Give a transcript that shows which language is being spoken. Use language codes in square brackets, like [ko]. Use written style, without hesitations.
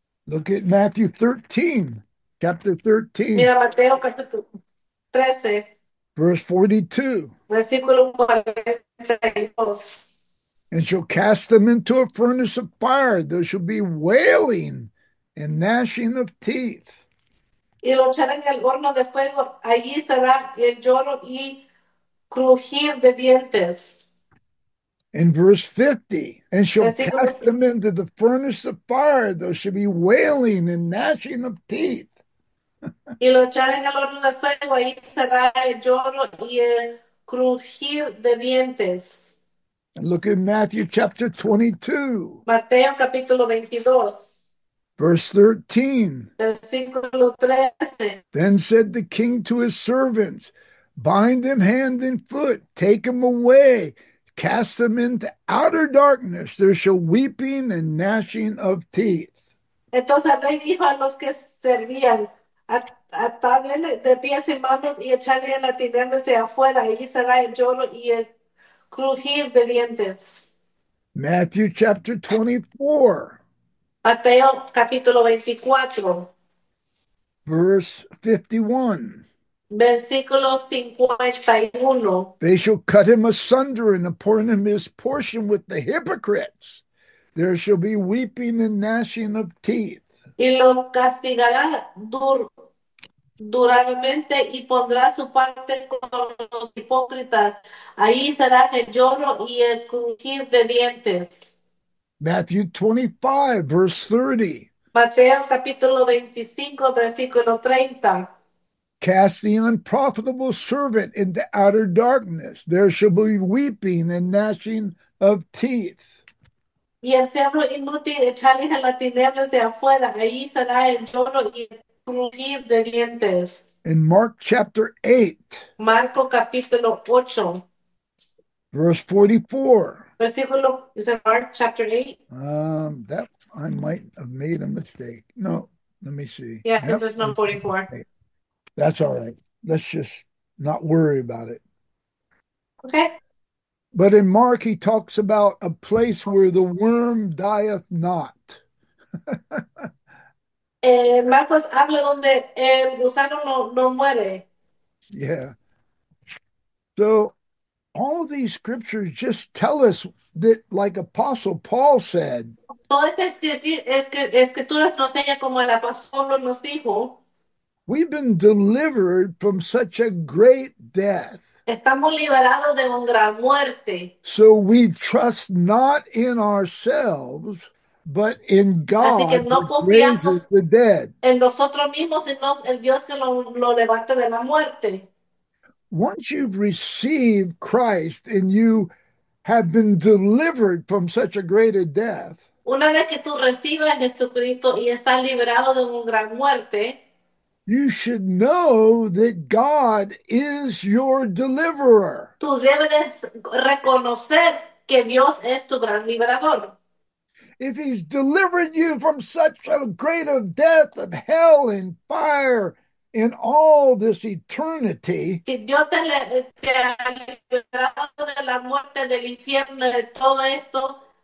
[en] Look at Matthew 13, chapter 13, [es] Mira Mateo capítulo 13, [en] verse 42. [es] versículo 42. [en] And shall cast them into a furnace of fire. There shall be wailing and gnashing of teeth. [es] Y lo echarán en el horno de fuego, allí será el lloro y crujir de dientes. [en] In verse 50, and shall cast [es] Versículo. [en] them into the furnace of fire, there shall be wailing and gnashing of teeth. [es] Y lo echarán en el horno de fuego, allí será el lloro y el crujir de dientes. [en] Look at Matthew chapter 22, [es] Mateo capítulo 22. [en] verse 13. [es] Versículo 13. [en] Then said the king to his servants, bind them hand and foot, take them away. Cast them into outer darkness. There shall weeping and gnashing of teeth. [es] Entonces el rey dijo a los que servían, atarle de pies y manos y echarle en la tinieblas hacia afuera, allí será el lloro y el crujir de dientes. [en] Matthew chapter 24, [es] Mateo capítulo 24, [en] verse 51. [es] versículo 51. [en] They shall cut him asunder and appoint him his portion with the hypocrites. There shall be weeping and gnashing of teeth. [es] Y lo castigará duramente y pondrá su parte con los hipócritas. Ahí será el lloro y el crujir de dientes. [en] Matthew 25, verse 30. [es] Mateo capítulo 25, versículo 30. [en] Cast the unprofitable servant into outer darkness. There shall be weeping and gnashing of teeth. [es] Y el siervo inútil echarle en las tinieblas de afuera, ahí será el lloro y el crujir de dientes. [en] In Mark chapter 8, [es] Marco capítulo 8, [en] verse 44. [es] versículo, [en] is it Mark chapter 8? That I might have made a mistake. No, let me see. Yeah, because Yep, there's no 44. that's all right. Let's just not worry about it. Okay. But in Mark, he talks about a place where the worm dieth not. [es] Marcos habla donde el gusano no muere. [en] Yeah. So all of these scriptures just tell us that, like Apostle Paul said, [es] Todas estas escrituras nos enseñan como el apóstol nos dijo, [en] we've been delivered from such a great death. [es] estamos liberados de una gran muerte. [en] So we trust not in ourselves, but in [es] Así que [en] God [es] no [en] that raises [es] confiamos [en] the dead. [es] en nosotros mismos, sino en Dios que lo levanta de la muerte. [en] Once you've received Christ and you have been delivered from such a great a death, [es] Una vez que tú recibes a Jesucristo y estás liberado de una gran muerte, [en] you should know that God is your deliverer. [es] tú debes reconocer que Dios es tu gran liberador. [en] If he's delivered you from such a great of death, of hell and fire in all this eternity, [es] Si Dios te ha liberado de la muerte, del infierno, de todo esto,